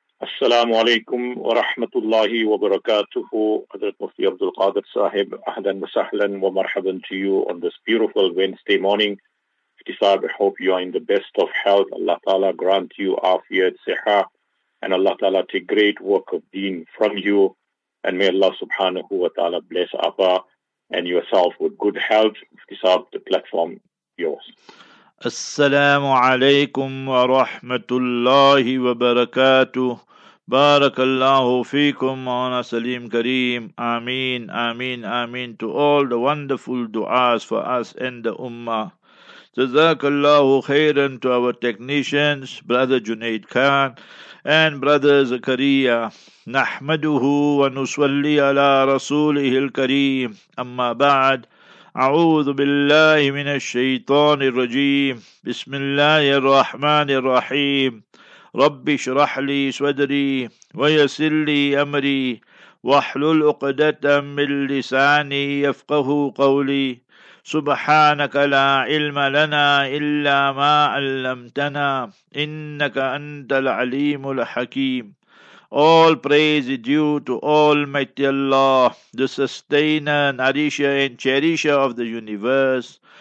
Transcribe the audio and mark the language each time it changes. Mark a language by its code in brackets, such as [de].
[ar] السلام عليكم ورحمة الله وبركاته. حضرت مفتي عبد القادر صاحب، أهلا وسهلا ومرحبا [en] to you on this beautiful Wednesday morning. Mufti Sahib, I hope you are in the best of health. Allah Ta'ala grant you afiyat, siha, and Allah Ta'ala take great work of deen from you. And may Allah Subhanahu wa Ta'ala bless Appa and yourself with good health. Mufti Sahib, the platform yours. [ar] السلام عليكم ورحمة الله وبركاته. بارك الله فيكم وانا سليم كريم. آمين آمين آمين [en] to all the wonderful du'as for us and the ummah. [ar] جزاك الله خيرا [en] to our technicians, brother Junaid Khan and brother Zakaria. [ar] نحمده ونصلي على رسوله الكريم. أما بعد، أعوذ بالله من الشيطان الرجيم. بسم الله الرحمن الرحيم. رب اشرح لي صدري ويسر لي أمري واحلل عقدة من لساني يفقه قولي. سبحانك لا علم لنا إلا ما علمتنا إنك أنت العليم الحكيم. [en] All praise is due to Almighty Allah, the sustainer, nourisher and cherisher of the universe.